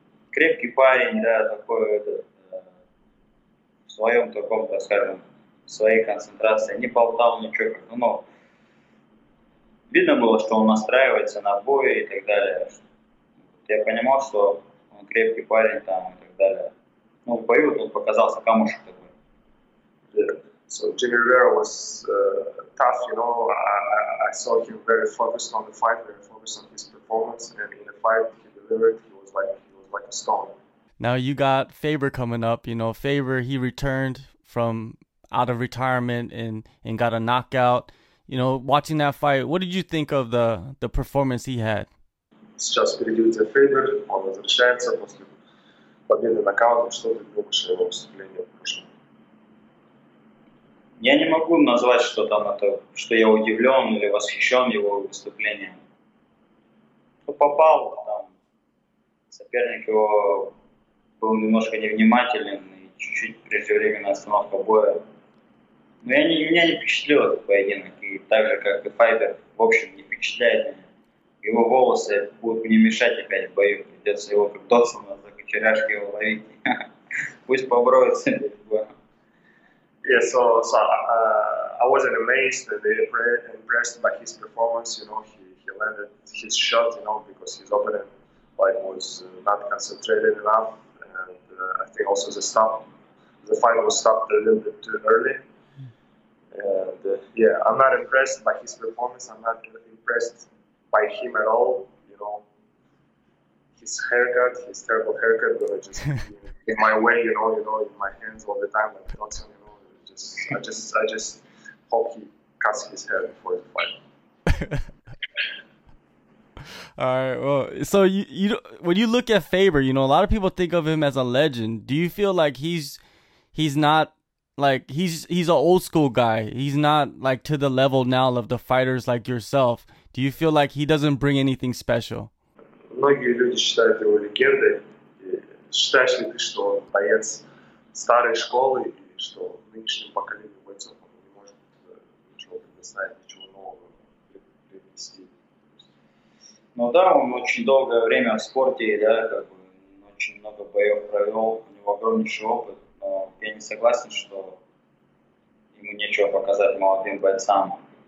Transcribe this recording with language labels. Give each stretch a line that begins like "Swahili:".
Russian: Крепкий парень, да, такой в своем таком, так скажем, своей концентрации, не болтал ничего, но видно было, что он настраивается на бой и так далее. Я понимал, что он крепкий парень там и так далее. Ну, в бою он показался камушек такой.
English: Yeah. So Jimmy Rivera was tough, you know, I saw him very focused on the fight, very focused on his performance, and in the fight he delivered, he was like a stone. Now you got Faber coming up, you know, Faber, he returned from out of retirement and got a knockout. You know, watching that fight, what did you think of the performance he had? It's just pretty good to Faber,
Russian: он возвращается после победы нокаутом, что ты думаешь о его выступлении в прошлом? Я не могу назвать, что там это, что я удивлен или восхищен его выступлением. Ну, попал там. Соперник его был немножко невнимателен и чуть-чуть преждевременная остановка боя. Ну, я не, меня не впечатлил этот поединок, и так же, как и Файбер, в общем, не впечатляет меня. Его волосы будут мне мешать опять в бою, придется его как Дотсона за кучеряшки его ловить. Пусть поборовится.
English: Yeah, so I wasn't amazed and impressed by his performance. You know, he landed his shot, you know, because his opponent like was not concentrated enough, and I think also the fight was stopped a little bit too early. And yeah, I'm not impressed by his performance. I'm not impressed by him at all. You know, his haircut, his terrible haircut, but it just in my way. You know, in my hands all the time. Like, not so, you know, I just hope he cuts his hair before the fight. All right. Well, so you when you look at Faber, you know, a lot of people think of him as a legend. Do you feel like he's not like he's an old school guy? He's not like to the level now of the fighters like yourself. Do you feel like he doesn't bring anything special?
Russian: Многие люди считают его легендой. Считаешь ли ты, что он боец старой школы и что нынешнему поколению бойцов он не может ничего предоставить, ничего нового принести? Ну да, он очень долгое время в спорте, да, как бы очень много боев провел, у него огромнейший опыт, но я не согласен, что ему нечего показать молодым бойцам.